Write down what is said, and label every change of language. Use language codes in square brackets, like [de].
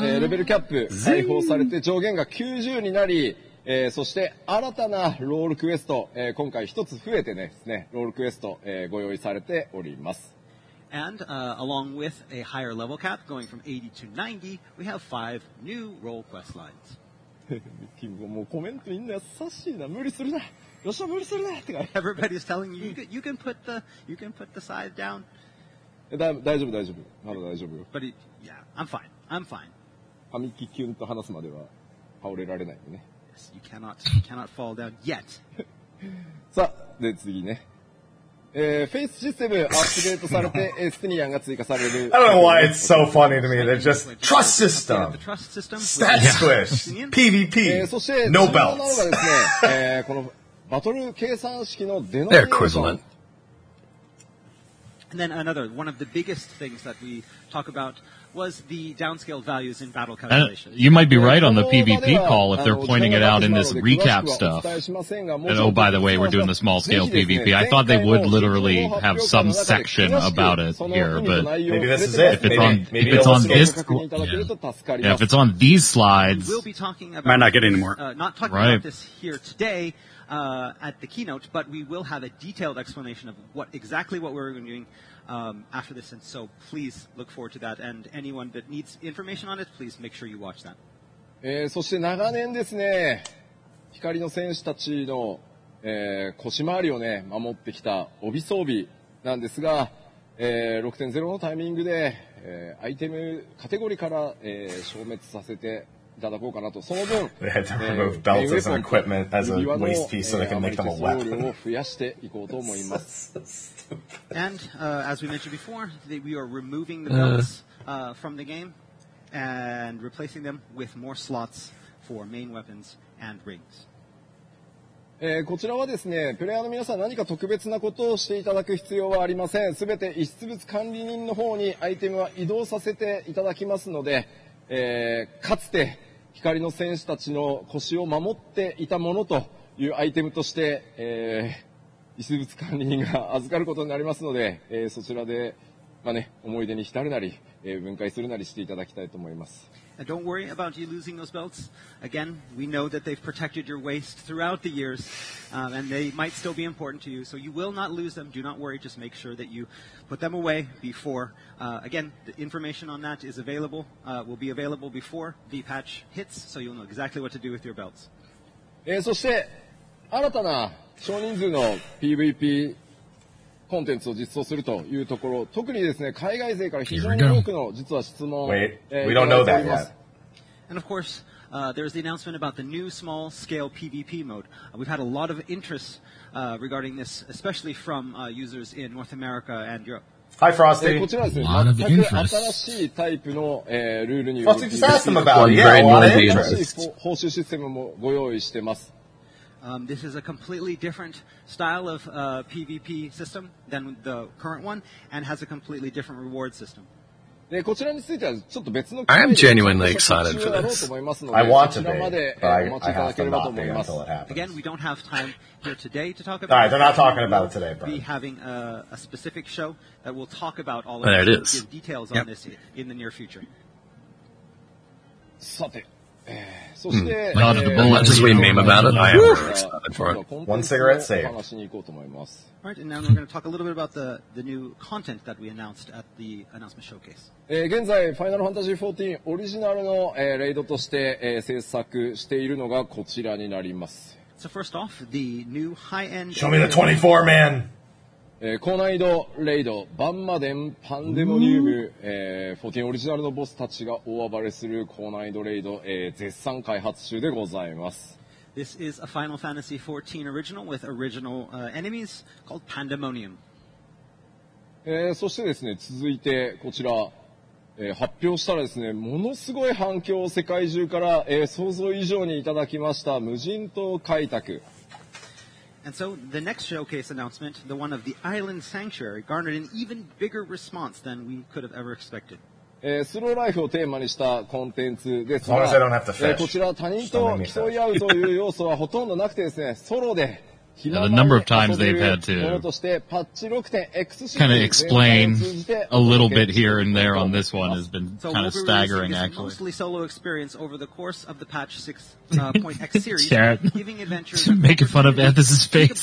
[ja] Level cap 解放されて上限が90になり、そして新たなロールクエスト、今回一つ増えてですね、ロールクエスト、ご用意されております。 [en] And, along with a higher level cap going from 80 to 90, we have 5 new role quest lines. Everybody's telling you, you can put the scythe down. But it, I'm fine. Yes, you cannot fall down yet. [ja] さあ、で、次ね。フェイスシステムアップデートされて、ステニアンが追加される。 [en] I don't know why it's so funny to me. They're just trust system. Stat squish. PvP. [ja] そして、 [en] no belts. [ja] このバトル計算式のデノミネーション。 [en] And then another, one of the biggest things that we talk about was the downscale values in battle calculation. You might be right on the PvP call if they're pointing it out in this recap stuff. And oh, by the way, we're doing the small scale PvP. I thought they would literally have some section about it here, but maybe this is it. If it's on these slides, we'll be talking about, might not get any more. Not talking right. about this here today at the keynote, but we will have a detailed explanation of what we're doing after this, and so please look forward to that. And anyone that needs information on it, please make sure you watch that. [ja] そして長年ですね、光の戦士たちの、腰回りをね、守ってきた帯装備なんですが、6.0 のタイミングで、アイテムカテゴリーから、消滅させていただこうかなと。その分、 [en] they had to remove belts as an equipment as a waste piece so they can make them a weapon. [ja] 増やしていこうと思います。 [en] And, as we mentioned before, we are removing the belts, from the game and replacing them with more slots for main weapons and rings. [ja] こちらはですね、プレイヤーの皆さん何か特別なことをしていただく必要はありません。すべて遺失物管理人の方にアイテムは移動させていただきますので、かつて光の戦士たちの腰を守っていたものというアイテムとして、遺失物管理人が預かることになりますので、そちらで、まあね、思い出に浸るなり、分解するなりしていただきたいと思います。 [en] Don't worry about you losing those belts. Again, we know that they've protected your waist throughout the years, and they might still be important to you, so you will not lose them. Do not worry, just make sure that you put them away before. Again, the information on that is available, will be available before the patch hits, so you'll know exactly what to do with your belts. [ja] そして、新たな少人数の PVP コンテンツを実装するというところ、特にですね、海外勢から非常に多くの実は質問を。 [en] We don't know that yet. And of course, there's the announcement about the new small scale PVP mode. We've had a lot of interest, regarding this, especially from, users in North America and Europe. Hi, Frosty. [ja] こちらですね、全く新しいタイプの、ルールに。 [en] Frosty, just ask them about it. Yeah, a lot of interest. [ja] 報酬システムもご用意してます。 [en] This is a completely different style of PvP system than the current one and has a completely different reward system. I am genuinely excited for this. I want to be, but I have to not be until it happens. Again, we don't have time here today to talk about it. All right, they're not talking about it today, but we'll be having a specific show that will talk about all of this and give details on this in the near future. Something. So, not at the bullet, as we meme about it, I am excited for it. One cigarette saved. Right, and now we're going to talk a little bit about the new content that we announced at the announcement showcase. [ja] 現在、Final Fantasy XIV オリジナルのレイドとして制作しているのがこちらになります。 [en] So first off, the new high-end... Show me the 24, man! [ja] 高難易度レイド、バンマデン、パンデモニウム、14オリジナルのボスたちが大暴れする高難易度レイド、絶賛開発中でございます。 [en] This is a Final Fantasy XIV original with original, enemies called Pandemonium. [ja] そしてですね、続いてこちら、発表したらですね、ものすごい反響を世界中から、想像以上にいただきました無人島開拓。 [en] And so, the next showcase announcement, the one of the Island Sanctuary, garnered an even bigger response than we could have ever expected. [ja] スローライフをテーマにしたコンテンツですが、 [en] as long as I don't have to fish. [ja] こちら他人と競い合うという要素はほとんどなくてですね、ソロで [en] Now, the number of times they've had to kind of explain a little bit here and there on this one has been kind of staggering, actually. Mostly solo experience over the course of the patch 6.x series, giving adventures, making fun of Ethis's face,